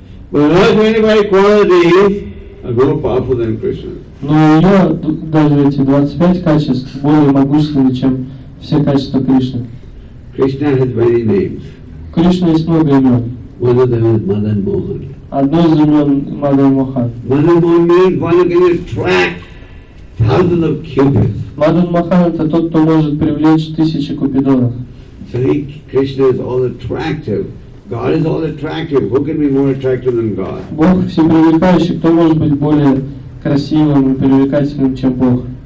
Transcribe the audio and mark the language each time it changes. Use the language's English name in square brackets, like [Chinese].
[English] But Radharani by qualities, are more powerful than Krishna. [Russian] Но у нее даже эти 25 качеств более могущественны, чем все качества Кришны. [English] Krishna has many names. [Russian] Кришна есть много имен. [English] One of them is Madan Mohan. [Russian] Одно из имен Мадан Мохан. [English] Madan Mohan means one can attract thousands of cupids. [Russian] Мадан Мохан — это тот, кто может привлечь тысячи купидонов. [English] So he, Krishna is all attractive. God is all attractive. Who can be more attractive than God? [Russian] Бог всепривлекающий. Кто может быть более красивым и привлекательным, чем Бог?